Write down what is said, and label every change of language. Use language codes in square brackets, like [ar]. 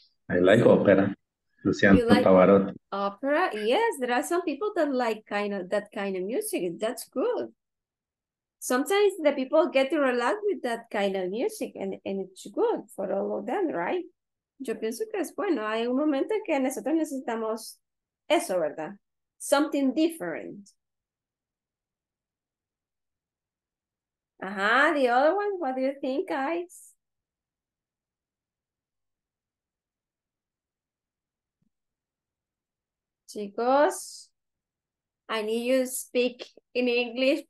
[en] I like opera. Luciano Pavarotti. Opera? Yes, there are some people that like that kind of music. That's good. Sometimes the people get to relax with that kind of music, and it's good for all of them, right? [es] Yo pienso que es bueno. Hay un momento que nosotros necesitamos eso, ¿verdad? [en] Something different. Ajá, the other one, what do you think, guys? Chicos, I need you to speak in English.